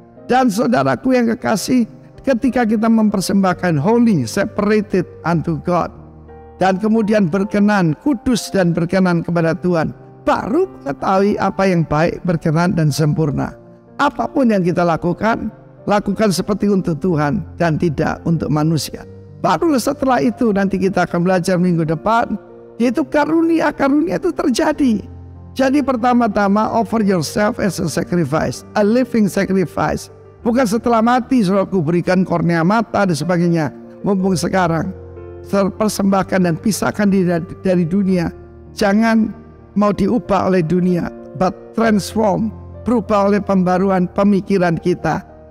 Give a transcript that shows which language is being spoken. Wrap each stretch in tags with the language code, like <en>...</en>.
<id>Dan saudaraku yang kekasih, ketika kita mempersembahkan</id> <en>holy, separated unto God,</en> <id>dan kemudian berkenan, kudus dan berkenan kepada Tuhan, baru mengetahui apa yang baik, berkenan, dan sempurna. Apapun yang kita lakukan, lakukan seperti untuk Tuhan dan tidak untuk manusia. Barulah setelah itu nanti kita akan belajar minggu depan, yaitu karunia-karunia itu terjadi. Jadi pertama-tama</id> <en>offer yourself as a sacrifice, a living sacrifice.</en> <id>Bukan setelah mati, suruh aku berikan kornea mata dan sebagainya. Mumpung sekarang, persembahkan dan pisahkan diri dari dunia. Jangan mau diubah oleh dunia,</id> <en>but transform,</en> <id>berubah oleh pembaruan pemikiran kita.</id>